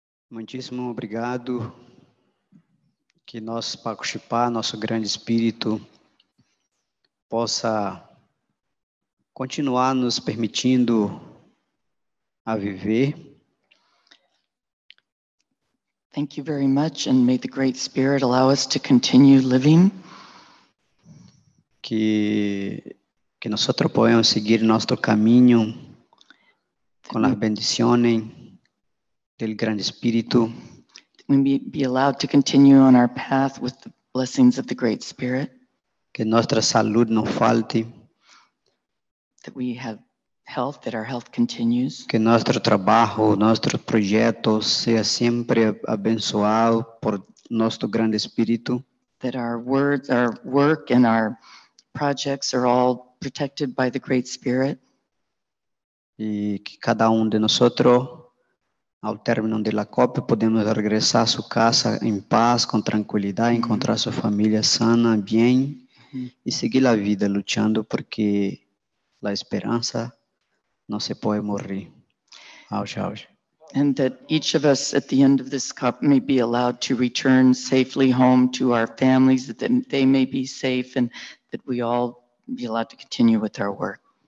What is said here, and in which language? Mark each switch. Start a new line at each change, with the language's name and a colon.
Portuguese: Muitíssimo obrigado, que nosso Paco Chipá, nosso grande espírito, possa continuar nos permitindo a viver.
English: Thank you very much, and may the great spirit allow us to continue living.
Spanish: Que nos otros puedan seguir nuestro camino con las bendiciones del Gran Espíritu.
English: We may be allowed to continue on our path with the blessings of the Great Spirit.
Spanish: Que nuestra salud no falte.
English: That we have health, that our health continues.
Spanish: Que nuestro trabajo, nuestros proyectos sea siempre abençoado por nuestro Gran Espíritu.
English: That our words, our work, and our projects are all protected by the Great Spirit.
Spanish: Y que cada uno de nosotros, al término de la copa, podemos regresar a su casa en paz, con tranquilidad, encontrar su familia sana, bien, y seguir la vida luchando porque la esperanza no se puede morir. Auge, auge.
English: And that each of us at the end of this cup may be allowed to return safely home to our families, that they may be safe, and that we all be allowed to continue with our work.